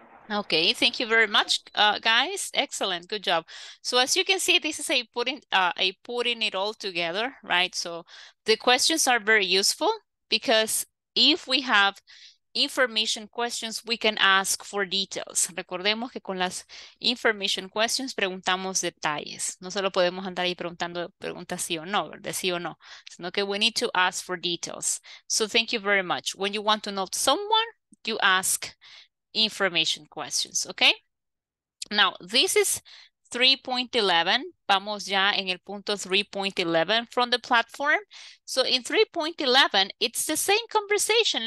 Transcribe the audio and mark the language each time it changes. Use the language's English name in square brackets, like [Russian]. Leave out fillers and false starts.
[English] Okay, thank you very much, guys. Excellent, good job. So as you can see, this is a putting it all together, right? So the questions are very useful because if we have information questions, we can ask for details. [Spanish] Recordemos que con las information questions preguntamos detalles. No solo podemos andar ahí preguntando preguntas sí o no, de sí o no, sino que [English] we need to ask for details. So thank you very much. When you want to know someone, you ask information questions, okay? Now, this is 3.11. [Spanish] Vamos ya en el punto 3.11 [English] from the platform. So in 3.11, it's the same conversation.